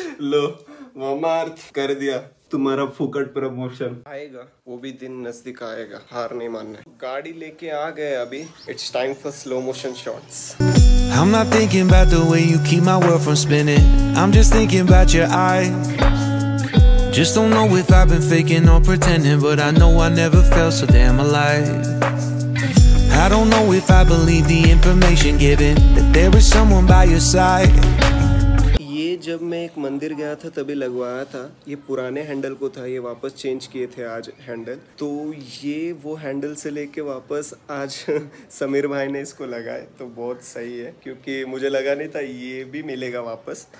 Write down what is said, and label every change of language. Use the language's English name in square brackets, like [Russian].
[Hindi] लो ममाअर्थ कर दिया, तुम्हारा फुकट प्रमोशन आएगा, वो भी दिन नजदीक आएगा, हार नहीं मानना। गाड़ी लेके आ गए अभी, [English] It's time for slow motion shots. I'm not thinking about the way you keep my world from spinning, I'm just thinking about your eye, just don't know if I've been faking or pretending, but I know I never felt so damn alive. I don't know if I believe the information given, that there is someone by your side. [Hindi] जब मैं एक मंदिर गया था तभी लगवाया था, ये पुराने हैंडल को था, ये वापस चेंज किए थे आज हैंडल, तो ये वो हैंडल से लेके वापस आज समीर भाई ने इसको लगाया, तो बहुत सही है क्योंकि मुझे लगा नहीं था ये भी मिलेगा वापस।